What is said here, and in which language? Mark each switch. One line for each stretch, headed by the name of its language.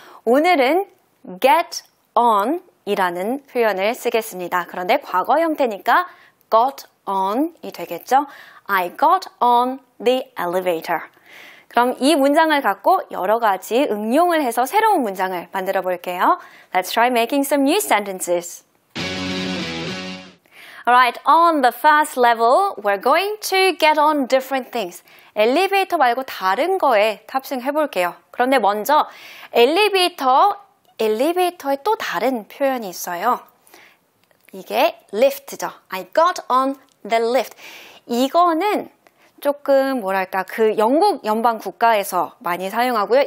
Korean: 오늘은 get on 이라는 표현을 쓰겠습니다. 그런데 과거 형태니까 got on이 되겠죠?
English: I got on the elevator.
Korean: 그럼 이 문장을 갖고 여러 가지 응용을 해서 새로운 문장을 만들어 볼게요.
English: Let's try making some new sentences. Alright, on the first level, we're going to get on different things.
Korean: 엘리베이터 말고 다른 거에 탑승해 볼게요. 그런데 먼저 엘리베이터에 또 다른 표현이 있어요. 이게 lift죠.
English: I got on the lift.
Korean: 이거는 조금 뭐랄까 그 영국 연방 국가에서 많이 사용하고요.